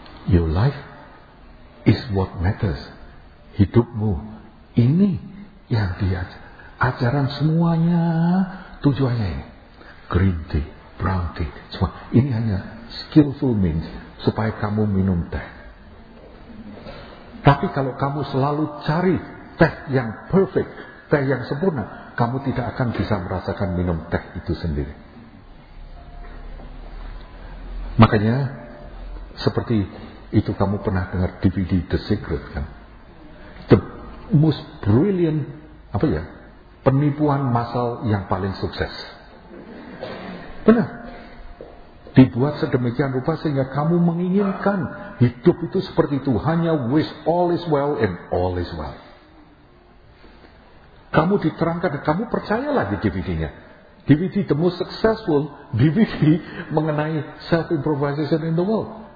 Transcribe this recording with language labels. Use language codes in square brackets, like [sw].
[en] Your life is what matters. [id] Hidupmu. Ini yang diajar. Ajaran semuanya tujuannya ini. Green tea, brown tea, semua. Ini hanya [en] skillful means [id] supaya kamu minum teh. Tapi kalau kamu selalu cari teh yang perfect, teh yang sempurna, kamu tidak akan bisa merasakan minum teh itu sendiri. Makanya seperti itu kamu pernah dengar DVD The Secret kan? [en] The most brilliant [id] apa ya? Penipuan massal yang paling sukses. Benar. Dibuat sedemikian rupa sehingga kamu menginginkan hidup itu seperti itu. Hanya [en] wish all is well and all is well. [id] Kamu diterangkan dan kamu percayalah di DVD-nya. [en] DVD the most successful DVD [id] mengenai [en] self-improvisation in the world.